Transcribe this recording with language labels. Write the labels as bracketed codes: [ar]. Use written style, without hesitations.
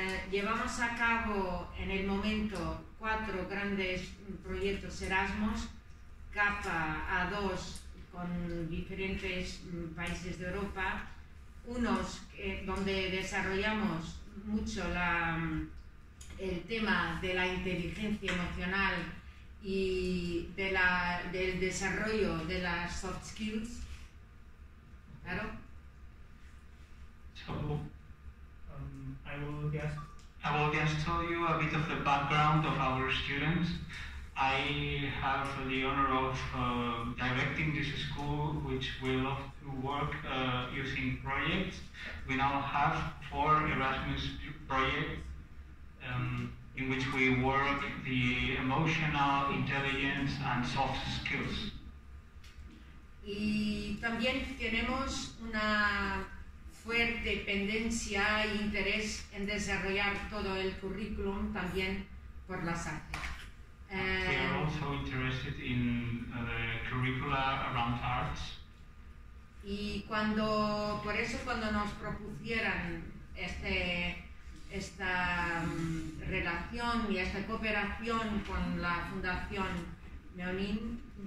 [es] Llevamos a cabo en el momento 4 grandes proyectos Erasmus, CAPA A2 con diferentes países de Europa, unos donde desarrollamos mucho el tema de la inteligencia emocional y del desarrollo de las soft skills. Claro. [en] So, I will just tell you a bit of the background of our students. I have the honor of directing this school, which we love to work using projects. We now have 4 Erasmus projects in which we work the emotional intelligence and soft skills. [es] Y también tenemos una fuerte pendencia e interés en desarrollar todo el currículum también por las artes. [en] We are also interested in the curricula around arts. [es] Y cuando, por eso cuando nos propusieran esta relación y esta cooperación con la Fundación Meonin,